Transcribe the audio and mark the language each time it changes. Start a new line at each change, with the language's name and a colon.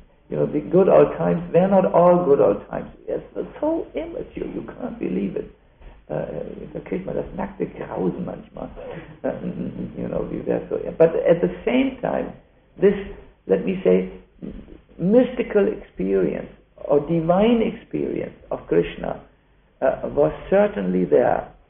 English: You know, the good old times, they're not all good old times. Yes, they're so immature, you can't believe it.
German: Da kriegt man das nackte Grausen manchmal.
English: You know, we were so, but at the same time, this, let me say, mystical experience or divine experience of Krishna was certainly there.